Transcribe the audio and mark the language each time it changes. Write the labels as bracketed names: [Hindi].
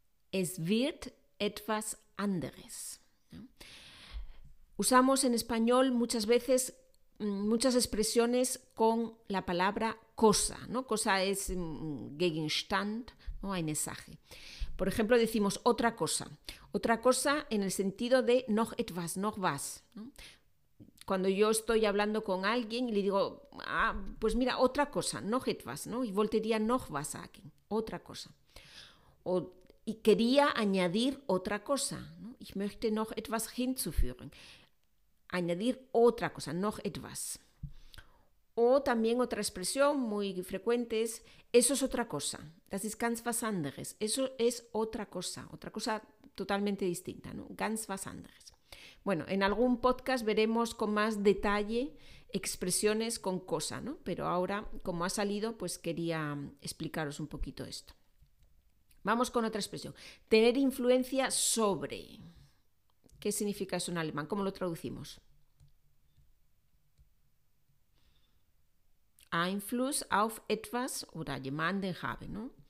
[German] Es wird etwas anderes, ¿no? [Spanish] Usamos en español muchas veces muchas expresiones con la palabra cosa, ¿no? Cosa es Gegenstand, ¿no? [German] Ein Sache. [Spanish] Por ejemplo, decimos otra cosa en el sentido de [German] noch etwas, noch was, [Spanish] ¿no? Cuando yo estoy hablando con alguien y le digo, ah, pues mira, otra cosa, [German] noch etwas, [Spanish] ¿no? Y volvería [German] noch was [Spanish] a aquí, otra cosa. Y quería añadir otra cosa, ¿no? [German] Ich möchte noch etwas hinzufügen. [Spanish] Añadir otra cosa, [German] noch etwas. [Spanish] O también otra expresión muy frecuente es, eso es otra cosa. [German] Das ist ganz was anderes. [Spanish] Eso es otra cosa totalmente distinta, ¿no? [German] Ganz was anderes. [Spanish] Bueno, en algún podcast veremos con más detalle expresiones con cosa, ¿no? Pero ahora, como ha salido, pues quería explicaros un poquito esto. Vamos con otra expresión. Tener influencia sobre. ¿Qué significa eso en alemán? ¿Cómo lo traducimos? [German] Einfluss auf etwas oder jemanden habe, ¿no?